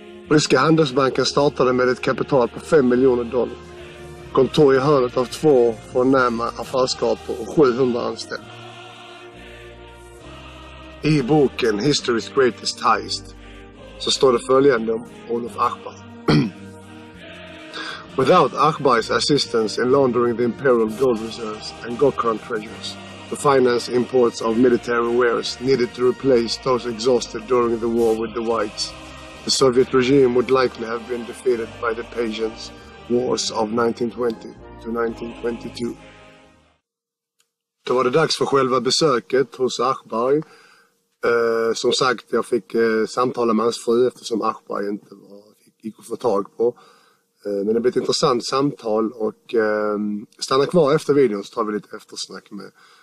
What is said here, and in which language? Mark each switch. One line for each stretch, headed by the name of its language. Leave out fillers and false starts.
Swedish: Ryska Handelsbanken startade med ett kapital på 5 miljoner dollar. Kontor i hörnet av två förnäma affärsgator och 700 anställda. I boken History's Greatest Heist så står det följande om Olof Aschberg.
English: Without Aschberg's assistance in laundering the imperial gold reserves and Gokhan treasures, the finance imports of military wares needed to replace those exhausted during the war with the whites, the Soviet regime would likely have been defeated by the Persians' wars of 1920 to 1922.
Swedish: Då var det dags för själva besöket hos Aschberg. Som sagt, jag fick samtala med hans fru eftersom Aschberg inte var, gick att få tag på. Men det blev ett intressant samtal och stanna kvar efter videon så tar vi lite eftersnack med.